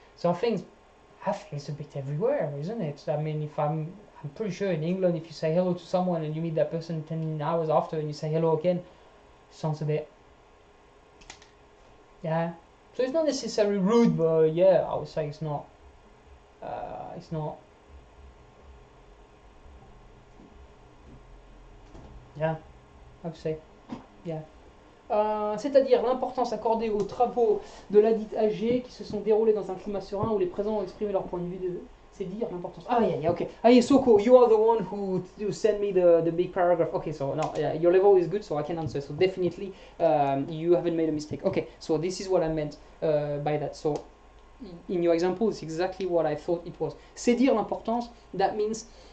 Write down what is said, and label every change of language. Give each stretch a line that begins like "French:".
English: So I think it's a bit everywhere, isn't it? I mean, if I'm pretty sure in England, if you say hello to someone and you meet that person 10 hours after and you say hello again, it sounds a bit, yeah. So it's not necessarily rude, but yeah, I would say it's not, yeah, I would say, yeah.
French: C'est-à-dire l'importance accordée aux travaux de ladite AG qui se sont déroulés dans un climat serein où les présents ont exprimé leur point de vue de... C'est dire l'importance.
English: Ah, yeah, ok. Ah, yeah, so cool. You are the one who sent me the big paragraph. Ok, so now, yeah, your level is good, so I can answer. So definitely, you haven't made a mistake. Ok, so this is what I meant by that. So in your example, it's exactly what I thought it was.
French: C'est dire l'importance,
English: that means...